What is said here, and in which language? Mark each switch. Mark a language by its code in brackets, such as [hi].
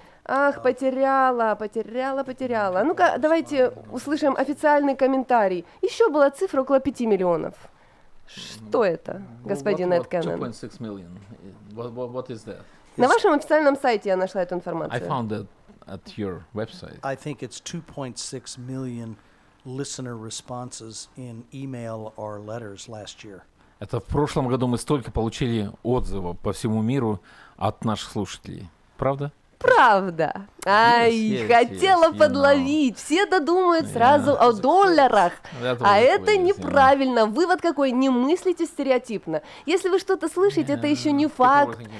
[ru] Ах, потеряла. Ну-ка, давайте услышим официальный комментарий. Еще была цифра около 5 миллионов. Что это, господин Эд Кеннон? [en] 2,6 million. What is that? [ru] На вашем официальном сайте я нашла эту информацию. [en] I found it at your website. I think it's 2.6 million listener responses in email or letters last year. [ru] Это в прошлом году мы столько получили отзывов по всему миру от наших слушателей. Правда? Правда. Ай, yes, хотела yes, подловить. [en] You know. [ru] Все додумают сразу о долларах. А это неправильно. Вывод какой? Не мыслите стереотипно. Если вы что-то слышите, это еще не факт.